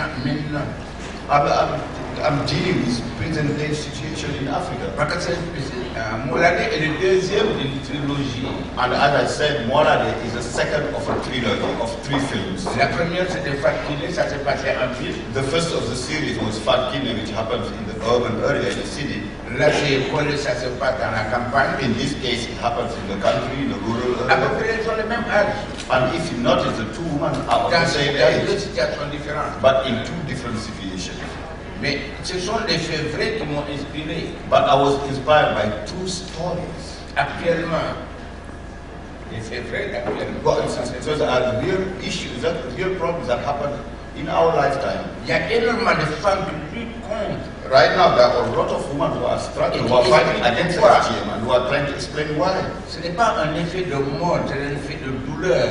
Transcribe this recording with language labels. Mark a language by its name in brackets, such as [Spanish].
[English] I'm dealing with present day situation in Africa. Like I said, Moolaade is the deuxième in the trilogy. And as I said, Moolaade is the second of a trilogy of three films. [French] La première, c'est de Fat Kine, ça s'est passé en ville. [English] The first of the series was Fat Kine, which happened in the urban area in the city. [French] Là, c'est Kole, ça s'est passé dans la campagne. [English] In this case, it happens in the country, in the rural area. [French] À peu près, ils ont le même âge. [English] And if you notice, the two women are of the same [French] age. Deux situations différentes. [English] But in two different situations. [French] Mais ce sont des faits vrais qui m'ont inspiré. [English] But I was inspired by two stories. [French] Actuellement, des faits vrais actuellement. [English] But those are real issues, that real problems that happen in our lifetime. [French] Il y a énormément de femmes qui luttent contre. [English] Right now, there are a lot of women who are struggling, who are fighting against the system, and who are trying to explain why. [French] Ce n'est pas un effet de mort, c'est un effet de douleur.